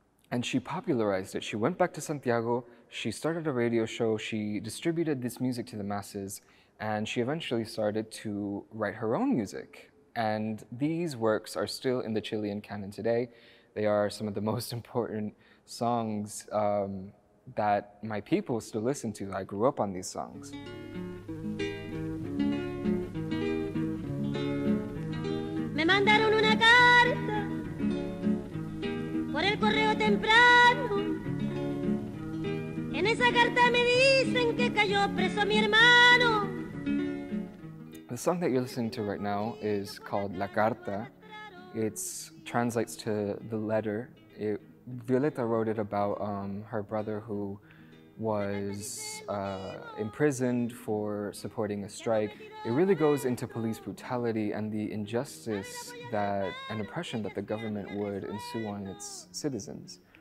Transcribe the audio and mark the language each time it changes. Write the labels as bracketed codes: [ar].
[en] And she popularized it. She went back to Santiago, she started a radio show, she distributed this music to the masses, and she eventually started to write her own music. And these works are still in the Chilean canon today. They are some of the most important songs that my people still listen to. I grew up on these songs. [es] Me mandaron una carta por el correo temprano. En esa carta me dicen que cayó preso mi hermano. [en] The song that you're listening to right now is called La Carta. It translates to The Letter. Violeta wrote it about her brother who was imprisoned for supporting a strike. It really goes into police brutality and the injustice that an oppression that the government would ensue on its citizens.